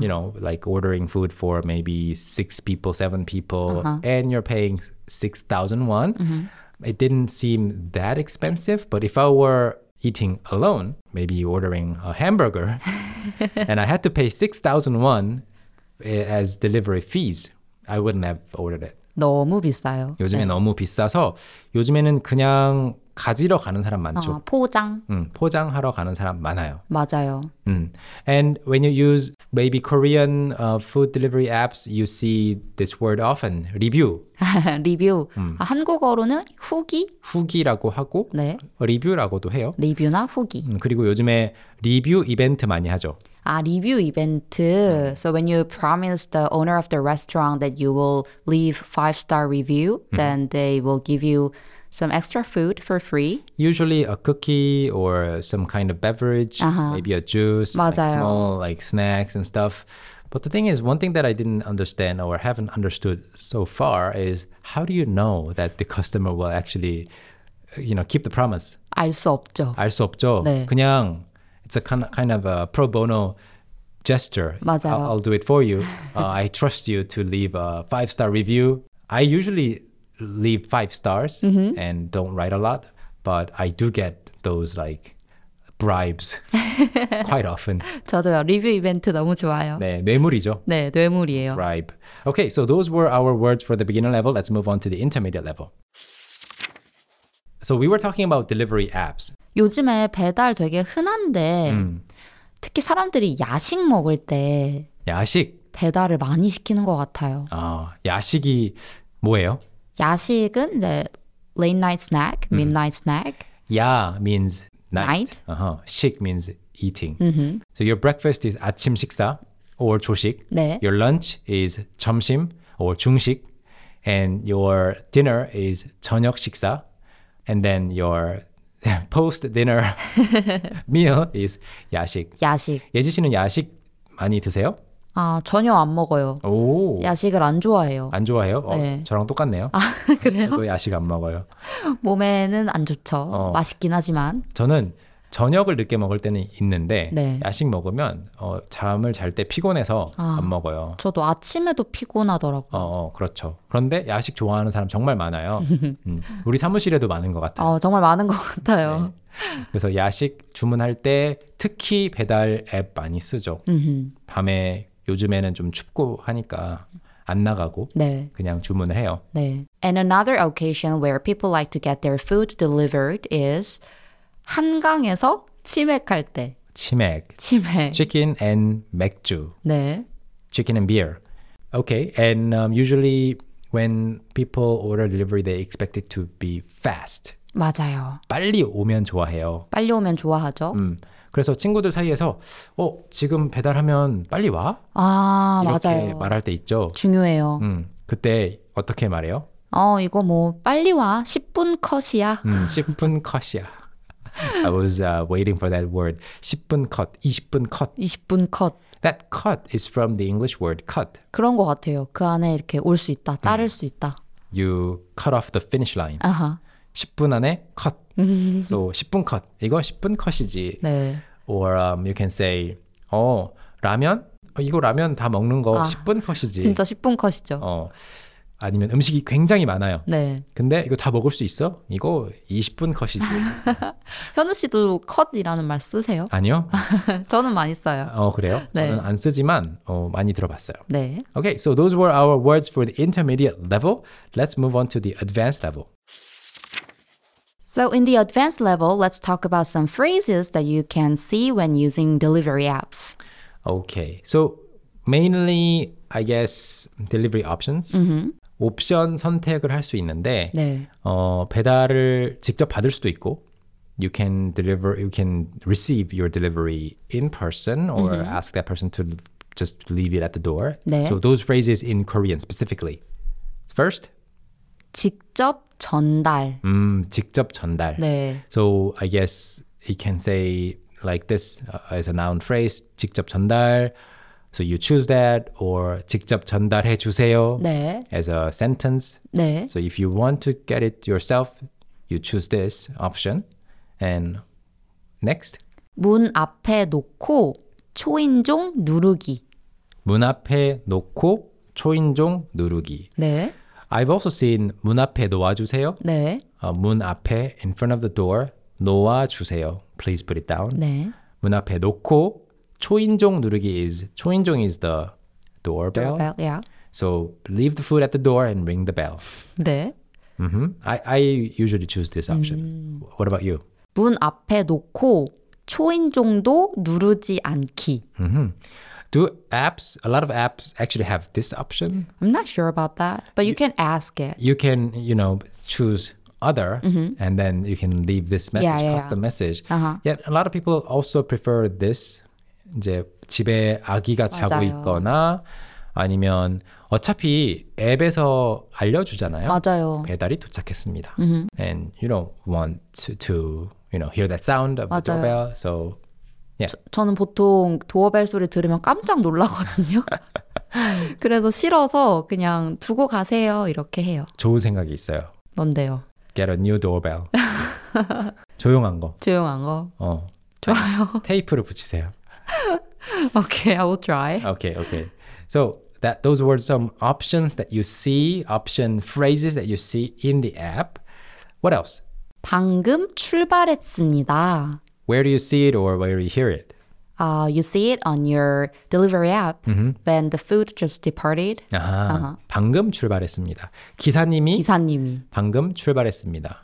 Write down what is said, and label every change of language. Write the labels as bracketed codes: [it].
[en] You know, like ordering food for maybe 6 people, 7 people, uh-huh. and you're paying 6,000 won. Mm-hmm. It didn't seem that expensive, but if I were eating alone, maybe ordering a hamburger, and I had to pay 6,000 won. As delivery fees, I wouldn't have ordered it. [ko] 너무 비싸요. 요즘에 네. 너무 비싸서 요즘에는 그냥 가지러 가는 사람 많죠. 포장. 포장하러 가는 사람 많아요. 맞아요. [en] And when you use maybe Korean food delivery apps, you see this word often, review. [ko] 리뷰. 한국어로는 후기. 후기라고 하고 네. 리뷰라고도 해요. 리뷰나 후기. 그리고 요즘에 리뷰 이벤트 많이 하죠. 아, 리뷰 이벤트. [en] So when you promise the owner of the restaurant that you will leave 5-star review, then they will give you some extra food for free. Usually a cookie or some kind of beverage, uh-huh. maybe a juice, like small like snacks and stuff. But the thing is, one thing that I didn't understand or haven't understood so far is how do you know that the customer will actually, you know, keep the promise? [ko] 알 수 없죠. 알 수 없죠. 네. 그냥 [en] it's a kind of a pro bono gesture. [ko] 맞아요. [en] I'll do it for you. I trust you to leave a 5-star review. I usually leave 5 stars mm-hmm. and don't write a lot, but I do get those like bribes quite often. [ko] 저도요. 리뷰 이벤트 너무 좋아요. 네, 뇌물이죠. 네, 뇌물이에요. [en] Bribe. Okay, so those were our words for the beginner level. Let's move on to the intermediate level. So we were talking about delivery apps. [ko] 요즘에 배달 되게 흔한데 특히 사람들이 야식 먹을 때 야식 배달을 많이 시키는 것 같아요. 아, 야식이 뭐예요? 야식은 [en] the late night snack, midnight snack. 야 means night. Uh-huh. 식 means eating. Mm-hmm. So your breakfast is 아침 식사 or 조식. [ko] 네. [en] Your lunch is 점심 or 중식. And your dinner is 저녁 식사. And then your post-dinner meal is 야식. [ko] 야식. 예지 씨는 야식 많이 드세요? 아, 전혀 안 먹어요. 오. 야식을 안 좋아해요. 안 좋아해요? 네. 저랑 똑같네요. 아, 그래요? 저도 야식 안 먹어요. 몸에는 안 좋죠. 맛있긴 하지만. 저는 저녁을 늦게 먹을 때는 있는데 네. 야식 먹으면 잠을 잘 때 피곤해서 안 먹어요. 저도 아침에도 피곤하더라고요. 그렇죠. 그런데 야식 좋아하는 사람 정말 많아요. 우리 사무실에도 많은 것 같아요. 정말 많은 것 같아요. 네. 그래서 야식 주문할 때 특히 배달 앱 많이 쓰죠. 밤에 요즘에는 좀 춥고 하니까 안 나가고 네. 그냥 주문을 해요. 네. [en] And another occasion where people like to get their food delivered is [ko] 한강에서 치맥할 때. 치맥. 치맥. [en] Chicken and 맥주. [ko] 네. [en] Chicken and beer. Okay. And usually when people order delivery, they expect it to be fast. [ko] 맞아요. 빨리 오면 좋아해요. 빨리 오면 좋아하죠. 그래서 친구들 사이에서 지금 배달하면 빨리 와? 아, 이렇게 맞아요. 이렇게 말할 때 있죠. 중요해요. 그때 어떻게 말해요? 이거 뭐 빨리 와. 10분 컷이야. 10분 컷이야. [en] I was waiting for that word. [ko] 10분 컷, 20분 컷. 20분 컷. [en] That cut is from the English word cut. [ko] 그런 것 같아요. 그 안에 이렇게 올 수 있다, 자를 수 있다. [en] You cut off the finish line. Uh-huh. [ko] 10분 안에 컷. So 10분 컷. 이거 10분 컷이지. 네. [en] Or you can say, 라면? [ko] 이거 라면 다 먹는 거 10분 컷이지. 진짜 10분 컷이죠. 아니면 음식이 굉장히 많아요. 네. 근데 이거 다 먹을 수 있어? 이거 20분 컷이지. 현우 씨도 컷이라는 말 쓰세요? 아니요. 저는 많이 써요. 그래요? 네. 저는 안 쓰지만 많이 들어봤어요. 네. [en] Okay, so those were our words for the intermediate level. Let's move on to the advanced level. So in the advanced level, let's talk about some phrases that you can see when using delivery apps. Okay, so mainly, I guess, delivery options. Mm-hmm. [ko] 옵션 선택을 할 수 있는데 네. 배달을 직접 받을 수도 있고 [en] you can deliver you can receive your delivery in person or mm-hmm. ask that person to just leave it at the door. [ko] 네. [en] So those phrases in Korean specifically. First, [ko] 직접 전달. 직접 전달. 네. [en] So I guess it can say like this as a noun phrase [ko] 직접 전달. [en] So you choose that or [ko] 직접 전달해 주세요 네. [en] as a sentence. [ko] 네. [en] So if you want to get it yourself, you choose this option. And next. [ko] 문 앞에 놓고 초인종 누르기. 문 앞에 놓고 초인종 누르기. 네. [en] I've also seen [ko] 문 앞에 놓아주세요. 네. 문 앞에 [en] in front of the door [ko] 놓아주세요. [en] Please put it down. [ko] 네. 문 앞에 놓고 초인종 누르기 [en] is [ko] 초인종 [en] is the doorbell. Doorbell, yeah. So leave the food at the door and ring the bell. [ko] 네. [en] Mm-hmm. I usually choose this option. What about you? [ko] 문 앞에 놓고 초인종도 누르지 않기. [en] Mm-hmm. Do apps? A lot of apps actually have this option. I'm not sure about that, but you can ask it. You can, you know, choose. Other, mm-hmm. and then you can leave this message, custom message. Uh-huh. Yet a lot of people also prefer this. [ko] 이제 집에 아기가 맞아요. 자고 있거나 아니면 어차피 앱에서 알려주잖아요. 맞아요. 배달이 도착했습니다. Mm-hmm. [en] And you don't want to you know, hear that sound of [ko] 맞아요. [en] The doorbell. So, yeah. [ko] 저는 보통 도어벨 소리 들으면 깜짝 놀라거든요. 그래서 싫어서 그냥 두고 가세요 이렇게 해요. 좋은 생각이 있어요. 뭔데요? [en] Get a new doorbell. [ko] 조용한 거. 조용한 거? 좋아요. 아니, 테이프를 붙이세요. [en] Okay, I will try. Okay, okay. So that those were some options that you see, option phrases that you see in the app. What else? [ko] 방금 출발했습니다. [en] Where do you see it or where do you hear it? You see it on your delivery app when the food just departed. [ko] 아, 방금 출발했습니다. 기사님이 방금 출발했습니다.